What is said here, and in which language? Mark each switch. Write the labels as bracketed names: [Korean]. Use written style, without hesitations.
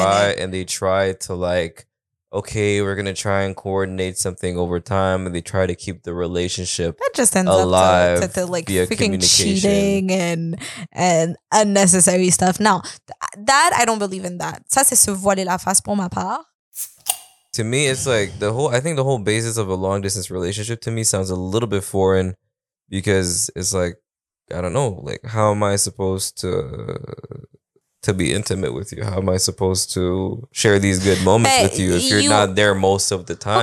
[English] In that case, I don't believe it. And they try to we're going to try and coordinate something over time, and they try to keep the relationship alive. That just ends up to freaking cheating and unnecessary stuff. Now, that, I don't believe in that. [French] Ça, c'est se voiler la face pour ma part. [English] To me, it's like the whole basis of a long distance relationship to me sounds a little bit foreign, because it's like, I don't know, like, how am I supposed to be intimate with you? How am I supposed to share these good moments with you if you're not there most of the time?